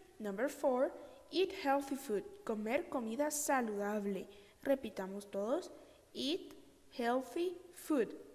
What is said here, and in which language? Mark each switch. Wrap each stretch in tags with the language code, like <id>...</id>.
<en>Number 4, eat healthy food.</en> <es>Comer comida saludable. Repitamos todos,</es> <en>eat healthy food.</en>